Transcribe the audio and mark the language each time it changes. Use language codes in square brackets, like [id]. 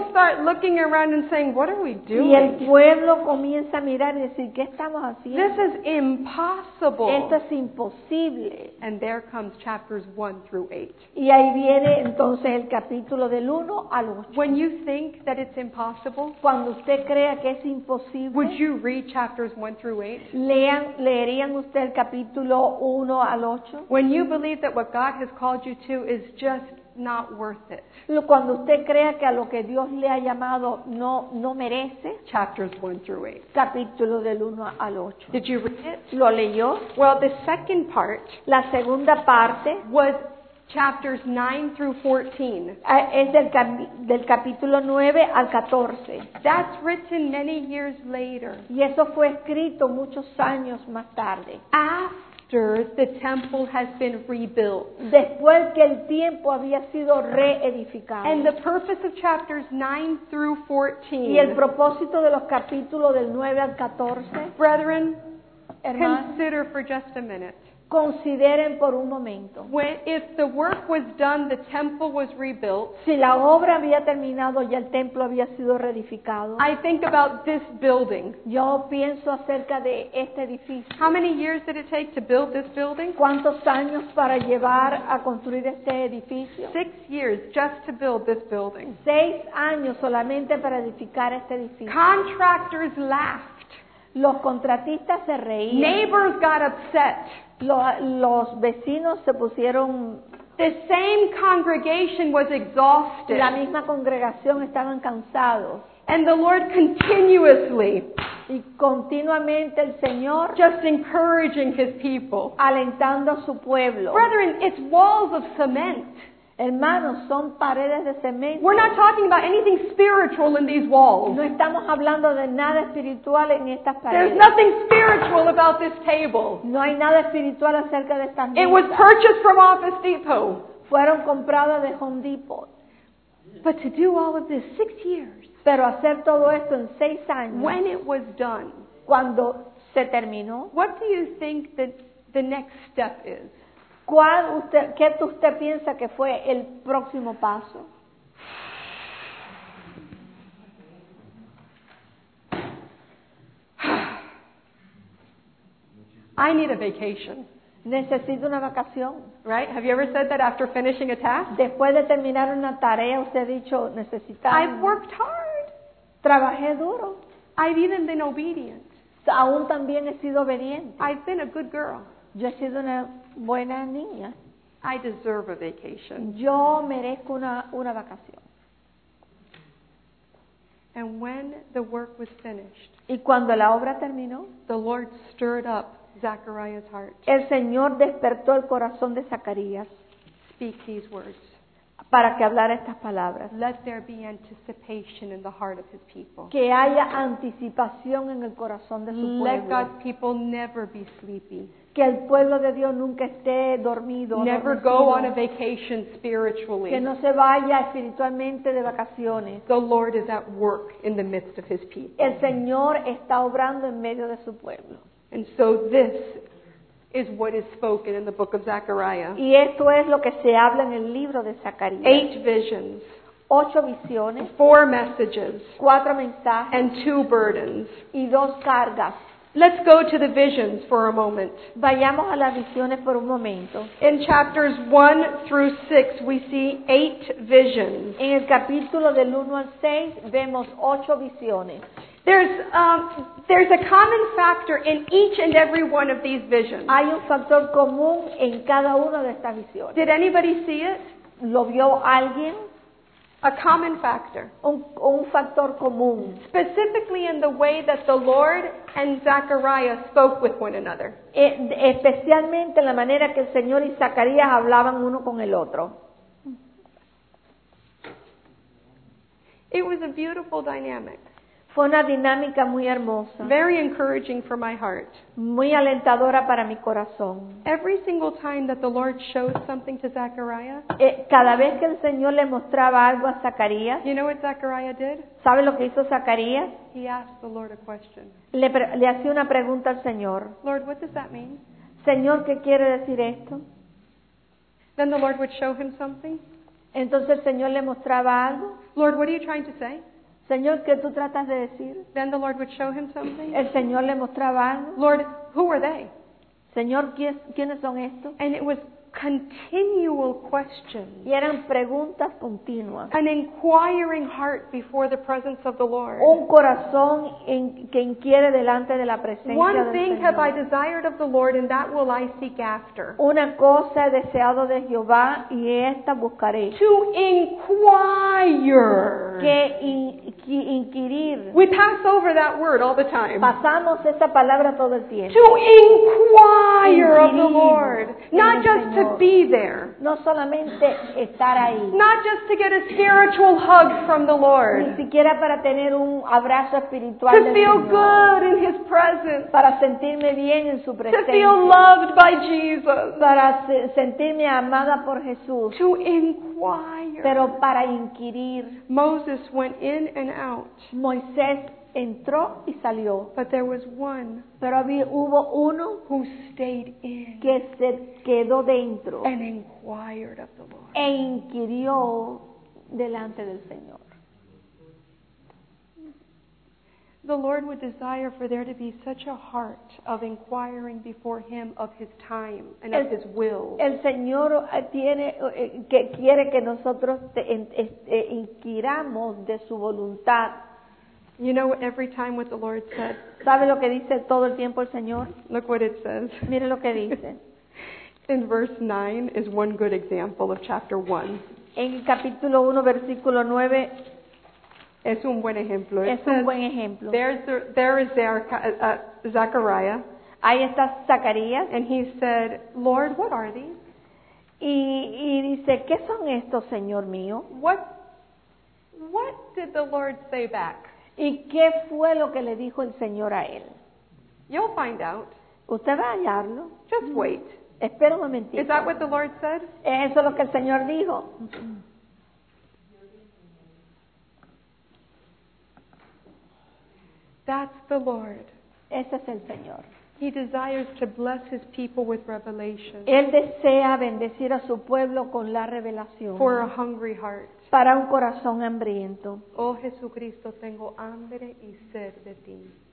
[en] People start looking around and saying, what are we doing? [es] Y el pueblo comienza a mirar y decir, ¿qué estamos haciendo? [en] This is impossible. [es] Esto es imposible. [en] And there comes chapters 1 through 8. [es] Y ahí viene entonces el capítulo del 1 al 8. [en] When you think that it's impossible, [es] cuando usted crea que es imposible, [en] would you read chapters 1 through 8? [es] ¿Leerían usted el capítulo 1 al 8? [en] When you believe that what God has called you to is just not worth it. [es] Cuando usted crea que a lo que Dios le ha llamado no merece. [en] Chapters 1 through 8. [es] Capítulo del 1 al 8. [en] Did you read it? [es] ¿Lo leyó? [en] Well, the second part. [es] La segunda parte. [en] Was chapters 9 through 14. [es] Es del capítulo 9 al 14. [en] That's written many years later. [es] Y eso fue escrito muchos años más tarde. [en] After the temple has been rebuilt. [es] Después que el templo había sido reedificado. [en] And the purpose of chapters 9 through 14. [es] Y el propósito de los capítulos del 9 al 14. [en] Brethren, [es] hermanos, [en] consider for just a minute. [es] Consideren por un momento. [en] If the work was done, the temple was rebuilt. [es] Si la obra había terminado y el templo había sido reedificado. [en] I think about this building. [es] Yo pienso acerca de este edificio. [en] How many years did it take to build this building? [es] ¿Cuántos años para llevar a construir este edificio? [en] 6 years just to build this building. [es] 6 años solamente para edificar este edificio. [en] Contractors laughed. [es] Los contratistas se reían. [en] Neighbors got upset. [es] Los vecinos se pusieron. [en] The same congregation was exhausted. [es] La misma congregación estaban cansados. [en] And the Lord continuously. [es] Y continuamente el Señor. [en] Just encouraging His people. [es] Alentando a su pueblo. [en] Brethren, it's walls of cement. [es] Hermanos, son paredes de cemento. [en] We're not talking about anything spiritual in these walls. [es] No estamos hablando de nada espiritual en estas paredes. [en] There's nothing spiritual about this table. [es] No hay nada espiritual acerca de esta mesa. [en] It was purchased from Office Depot. [es] Fueron compradas de Home Depot. [en] But to do all of this 6 years. [es] Pero hacer todo esto en 6 años. [en] When it was done. [es] Cuando se terminó. [en] What do you think the next step is? [es] ¿Cuál usted, qué usted piensa que fue el próximo paso? [en] I need a vacation. [es] Necesito una vacación. [en] Right? Have you ever said that after finishing a task? [es] Después de terminar una tarea, usted ha dicho necesitar. [en] I've worked hard. [es] Trabajé duro. [en] I've even been obedient. [es] Aún también he sido obediente. [en] I've been a good girl. [es] Yo he sido una buena niña. [en] I deserve a vacation. [es] Yo merezco una vacación. [en] And when the work was finished, [es] y cuando la obra terminó, [en] the Lord stirred up Zechariah's heart. [es] El Señor despertó el corazón de Zacarías. [en] Speak these words. [es] Para que hablara estas palabras. [en] Let there be anticipation in the heart of His people. [es] Que haya anticipación en el corazón de su pueblo. [en] Let God's people never be sleepy. [es] Que el pueblo de Dios nunca esté dormido. [en] Never go on a vacation spiritually. [es] Que no se vaya espiritualmente de vacaciones. [en] The Lord is at work in the midst of His people. [es] El Señor está obrando en medio de su pueblo. [en] And so this is what is spoken in the book of Zechariah. [es] Y esto es lo que se habla en el libro de Zacarías. [en] 8 visions. [es] 8 visiones. [en] 4 messages. [es] 4 mensajes. [en] And 2 burdens. [es] Y 2 cargas. [en] Let's go to the visions for a moment. [es] Vayamos a las visiones por un momento. [en] In chapters 1 through 6, we see 8 visions. [es] En el capítulo del 1 al 6, vemos 8 visiones. [en] There's a common factor in each and every one of these visions. [es] Hay un factor común en cada una de estas visiones. [en] Did anybody see it? [es] lo vio alguien. [en] A common factor. [es] Un factor común. [en] Specifically in the way that the Lord and Zechariah spoke with one another. [es] Especialmente en la manera que el Señor y Zacarías hablaban uno con el otro. [en] It was a beautiful dynamic. [es] Fue una dinámica muy hermosa. [en] Very encouraging for my heart. [es] Muy alentadora para mi corazón. [en] Every single time that the Lord showed something to Zechariah. [es] Cada vez que el Señor le mostraba algo a Zacarías. [en] You know what Zechariah did? [es] ¿Sabe lo que hizo Zacarías? [en] He asked the Lord a question. [es] Le hacía una pregunta al Señor. [en] Lord, what does that mean? [es] Señor, ¿qué quiere decir esto? [en] Then the Lord would show him something. [es] Entonces el Señor le mostraba algo. [en] Lord, what are you trying to say? [es] Señor, ¿qué tú tratas de decir? [en] Then the Lord would show him something. [es] El Señor le mostraba algo. [en] Lord, who are they? [es] Señor, ¿quiénes son estos? [en] And it was continual questions. [es] Y eran preguntas continuas. [en] An inquiring heart before the presence of the Lord. [es] Un corazón que inquiere delante de la presencia del Señor. [en] One thing have I desired of the Lord, and that will I seek after. [es] Una cosa he deseado de Jehová, y esta buscaré. [en] To inquire. [es] Que inquirir. [en] We pass over that word all the time. [es] Pasamos esa palabra todo el tiempo. [en] To inquire of the Lord. Not just to be there. [es] No solamente estar ahí. [en] Not just to get a spiritual hug from the Lord. [es] Ni siquiera para tener un abrazo espiritual del Señor. [en] To feel good in His presence. [es] Para sentirme bien en su presencia. [en] To feel loved by Jesus. [es] Para sentirme amada por Jesús. [en] To inquire. [es] Pero para inquirir. [en] Moses went in and out. [es] Moisés entró y salió. [en] But there was one. [es] Pero hubo uno [en] who stayed in. [es] Que se quedó dentro. [en] And inquired of the Lord. [es] E inquirió delante del Señor. [en] The Lord would desire for there to be such a heart of inquiring before Him of His time and of His will. [es] El Señor tiene que quiere que nosotros inquiramos de su voluntad. [en] You know every time what the Lord said. [es] ¿Sabe lo que dice todo el tiempo el Señor? [en] Look what it says. [es] Mire lo que dice. [en] In verse 9 is one good example of chapter 1. [es] En el capítulo 1, versículo 9. Es un buen ejemplo. Es un buen ejemplo. [en] There is Zechariah. [es] Ahí está Zacarías. [en] And he said, Lord, what are these? [es] Y dice, ¿qué son estos, Señor mío? [en] What did the Lord say back? [es] ¿Y qué fue lo que le dijo el Señor a él? [en] You'll find out. [es] Usted va a hallarlo. [en] Just wait. [es] Espera un momentito. [en] Is that what the Lord said? [es] Eso es lo que el Señor dijo. [en] That's the Lord. [es] Ese es el Señor. [en] He desires to bless His people with revelation. [es] Él desea bendecir a su pueblo con la revelación. [en] For a hungry heart. [es] Para un corazón hambriento. Oh Jesucristo, tengo hambre y sed de ti.